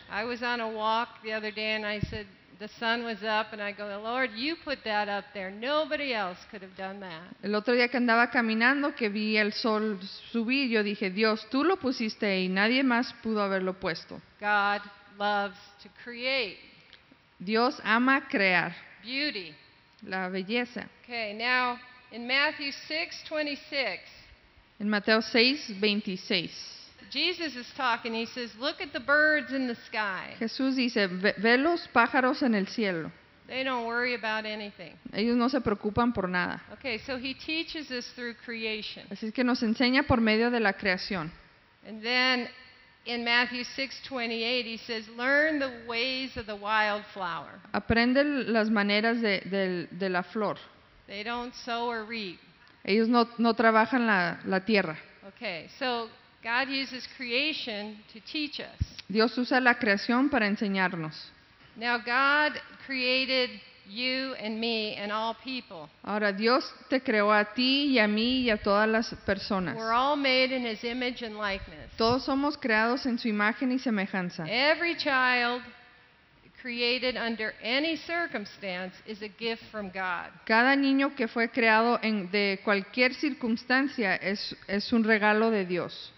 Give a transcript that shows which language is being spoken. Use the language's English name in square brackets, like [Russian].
[English] I was on a walk the other day and I said the sun was up and I go, Lord, you put that up there. Nobody else could have done that. [Spanish] El otro día que andaba caminando que vi el sol subir, yo dije, Dios, tú lo pusiste ahí. Nadie más pudo haberlo puesto. [English] God loves to create. [Spanish] Dios ama crear. [English] Beauty. [Spanish] La belleza. [English] Okay, now in Matthew 6:26. [Spanish] In Mateo 6:26. [English] Jesus is talking. He says, "Look at the birds in the sky." [Spanish] Jesús dice, ve los pájaros en el cielo. [English] They don't worry about anything. [Spanish] Ellos no se preocupan por nada. [English] Okay, so he teaches us through creation. [Spanish] Así es que nos enseña por medio de la creación. [English] And then in Matthew 6:28, he says, "Learn the ways of the wild flower." [Spanish] Aprende las maneras de la flor. [English] They don't sow or reap. [Spanish] Ellos no trabajan la tierra. [English] Okay, so God uses creation to teach us. [Spanish] Dios usa la creación para enseñarnos. [English] Now God created you and me and all people. [Spanish] Ahora Dios te creó a ti y a mí y a todas las personas. [English] We're all made in his image and likeness. [Spanish] Todos somos creados en su imagen y semejanza. [English] Every child created under any circumstance is a gift from God. [Spanish] Cada niño que fue creado en de cualquier circunstancia es un regalo de Dios.